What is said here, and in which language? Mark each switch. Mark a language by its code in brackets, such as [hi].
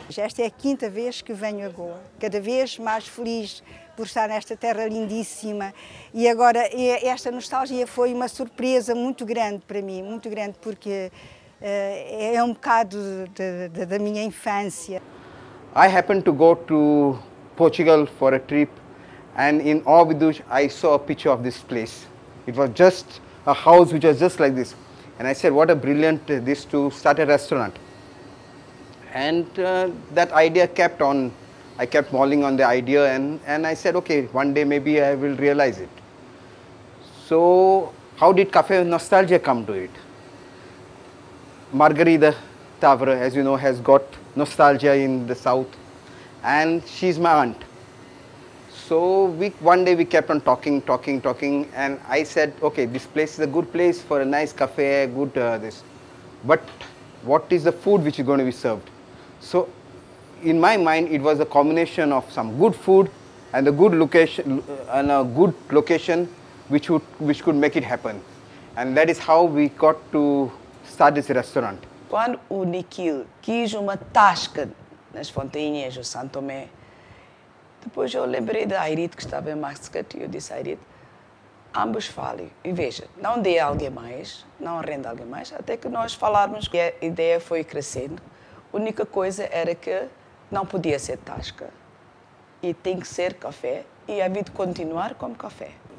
[pt] Esta é a quinta vez que venho a Goa. Cada vez mais feliz por estar nesta terra lindíssima. E agora, esta nostalgia foi uma surpresa muito grande para mim, muito grande, porque é um bocado da minha infância. [en] I happened to go to Portugal for a trip, and in Óbidos I saw a picture of this place. It was just a house which was just like this. And I said, what a brilliant this to start a restaurant. And that idea kept on. I kept mulling on the idea, and I said, okay, one day maybe I will realize it. So how did Café Nostalgia come to it? Margarida Tavra, as you know, has got nostalgia in the south, and she's my aunt. So one day we kept on talking, and I said, okay, this place is a good place for a nice cafe, good this. But what is the food which is going to be served? So in my mind, it was a combination of some good food and a good location, and a good location which could make it happen. And that is how we got to start this restaurant. [pt] Quando o Nikhil quis uma tasca nas Fontainhas, o São Tomé, depois eu lembrei da Airite que estava em Mascate e eu disse à Airite, ambos falem. E veja, não dê alguém mais, não renda alguém mais, até que nós falarmos. E a ideia foi crescendo. A única coisa era que não podia ser tasca e tem que ser café e havia de continuar como café.